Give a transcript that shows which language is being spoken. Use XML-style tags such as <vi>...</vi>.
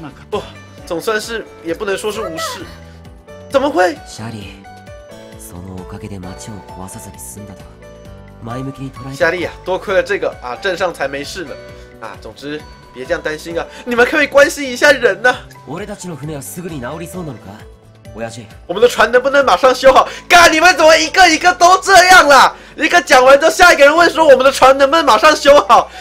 <zh>不，总算是也不能说是无视。怎么会？</zh> <ja>夏莉，そのおかげで町を壊さずに済んだと。前向きに捉えた。</ja> <zh>夏莉啊，多亏了这个啊，镇上才没事呢。啊，总之别这样担心啊，你们可以关心一下人呢。</zh> <ja>俺たちの船はすぐに直りそうなのか？</ja> <zh>我们的船能不能马上修好？干，你们怎么一个一个都这样啦？一个讲完之后，下一个人问说我们的船能不能马上修好？</zh>